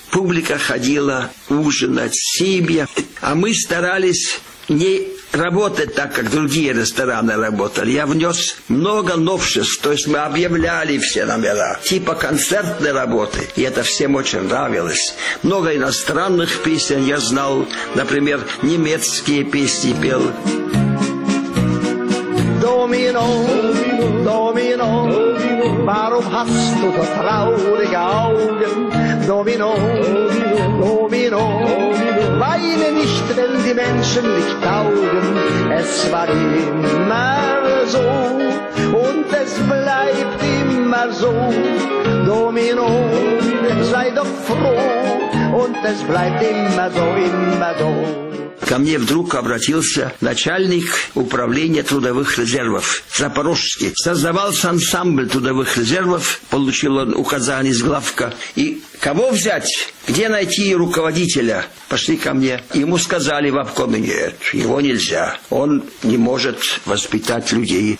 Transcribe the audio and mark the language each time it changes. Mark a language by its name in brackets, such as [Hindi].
[Russian] Публика ходила ужинать, семья. А мы старались не работать так, как другие рестораны работали. Я внес много новшеств, то есть мы объявляли все номера, типа концертной работы, и это всем очень нравилось. Много иностранных песен я знал, например, немецкие песни пел. [German] Domino, Domino, warum hast du so traurige Augen? Domino, Domino, weine nicht, wenn die die Menschen nicht taugen. Es war immer so und es bleibt immer so. Domino, sei doch froh und es bleibt immer so, immer so. [Russian] Ко мне вдруг обратился начальник управления трудовых резервов Запорожский. Создавался ансамбль трудовых резервов, получил он указание из главка. И кого взять? Где найти руководителя? Пошли ко мне. Ему сказали в обкоме, нет, его нельзя. Он не может воспитать людей.